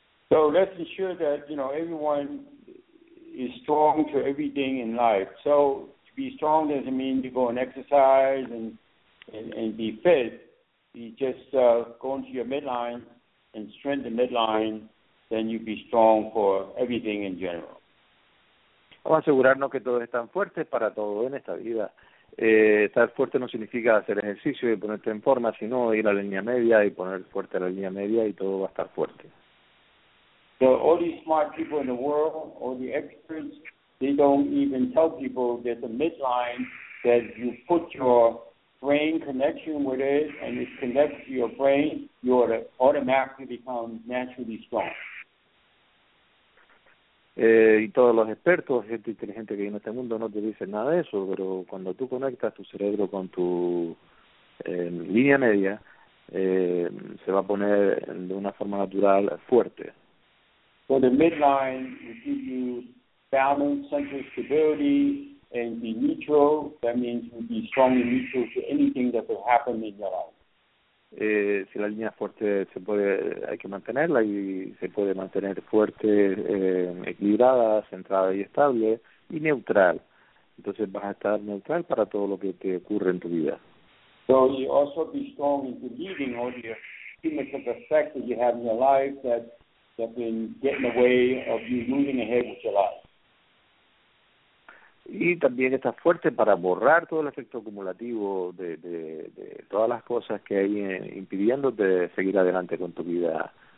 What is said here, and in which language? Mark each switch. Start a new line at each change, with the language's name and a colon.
English: So let's ensure that, you know, everyone is strong to everything in life. So to be strong doesn't mean to go and exercise and be fit. You just go into your midline and strengthen the midline, then you'll be strong for everything in general.
Spanish: Vamos a asegurarnos que todos están fuertes para todo en esta vida. Estar fuerte no significa hacer ejercicio y ponerte en forma, sino ir a la línea media y poner fuerte a la línea media y todo va a estar fuerte.
English: So all these smart people in the world, all the experts, they don't even tell people that the midline, that you put your brain connection with it and it connects to your brain, you automatically become naturally strong.
Spanish: Y todos los expertos, gente inteligente que hay en este mundo, no te dicen nada de eso, pero cuando tú conectas tu cerebro con tu línea media, se va a poner de una forma natural fuerte.
English: So the midline will give you balance, central stability, and be neutral. That means you'll be strongly neutral to anything that will happen in your life.
Spanish: Si la línea fuerte se puede, hay que mantenerla y se puede mantener fuerte, equilibrada, centrada y estable y neutral. Entonces vas a estar neutral para todo lo que te ocurre en tu vida.
English: So you also be strong in believing all the systemic effects that you have in your life that have been getting in the way of you moving ahead with your life.
Spanish: Y también estás fuerte para borrar todo el efecto acumulativo de todas las cosas que hay impidiéndote de seguir adelante con tu vida.